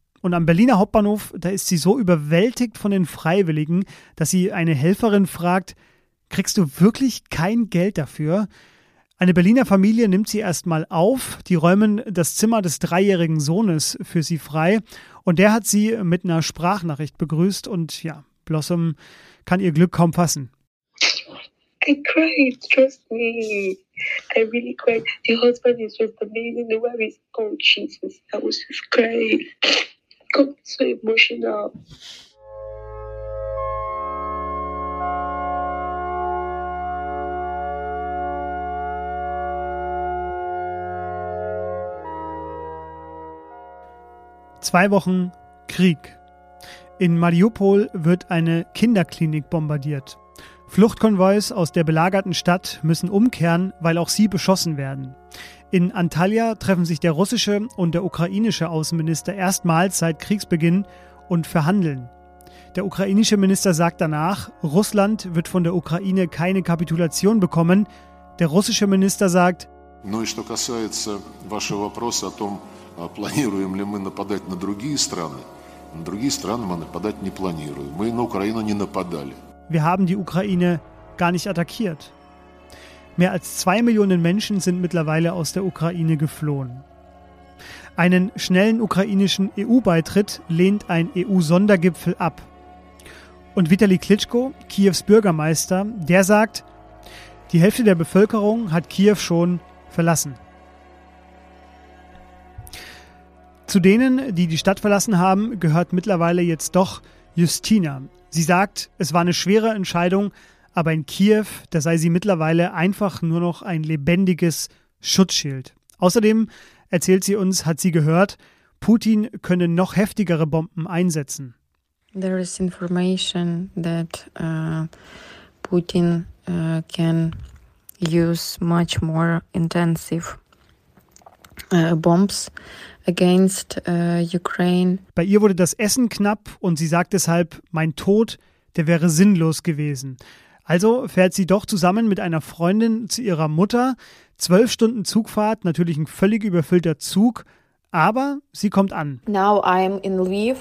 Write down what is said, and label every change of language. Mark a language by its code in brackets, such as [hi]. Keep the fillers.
[de] Und am Berliner Hauptbahnhof, da ist sie so überwältigt von den Freiwilligen, dass sie eine Helferin fragt, kriegst du wirklich kein Geld dafür? Eine Berliner Familie nimmt sie erstmal auf, die räumen das Zimmer des dreijährigen Sohnes für sie frei und der hat sie mit einer Sprachnachricht begrüßt und ja, Blossom kann ihr Glück kaum fassen. [en] I cried, trust me. I really cried. The husband is just amazing. The wife is, oh Jesus, I was just crying. Got so emotional. [de] Zwei Wochen Krieg. In Mariupol wird eine Kinderklinik bombardiert. Fluchtkonvois aus der belagerten Stadt müssen umkehren, weil auch sie beschossen werden. In Antalya treffen sich der russische und der ukrainische Außenminister erstmals seit Kriegsbeginn und verhandeln. Der ukrainische Minister sagt danach, Russland wird von der Ukraine keine Kapitulation bekommen. Der russische Minister sagt, [ru] Ну и что касается вашего вопроса о том, планируем ли мы нападать на другие страны, на другие страны мы нападать не планируем. Мы на Украину не нападали. [de] wir haben die Ukraine gar nicht attackiert. Mehr als zwei Millionen Menschen sind mittlerweile aus der Ukraine geflohen. Einen schnellen ukrainischen EU-Beitritt lehnt ein EU-Sondergipfel ab. Und Vitali Klitschko, Kiews Bürgermeister, der sagt, die Hälfte der Bevölkerung hat Kiew schon verlassen. Zu denen, die die Stadt verlassen haben, gehört mittlerweile jetzt doch Justina, Sie sagt, es war eine schwere Entscheidung, aber in Kiew, da sei sie mittlerweile einfach nur noch ein lebendiges Schutzschild. Außerdem, erzählt sie uns, hat sie gehört, Putin könne noch heftigere Bomben einsetzen. [en] There is information that uh, Putin uh, can use much more intensive uh, bombs against uh, Ukraine. [de] Bei ihr wurde das Essen knapp und sie sagt deshalb, mein Tod, der wäre sinnlos gewesen. Also fährt sie doch zusammen mit einer Freundin zu ihrer Mutter. Zwölf Stunden Zugfahrt, natürlich ein völlig überfüllter Zug, aber sie kommt an. [en] Now I'm in Lviv.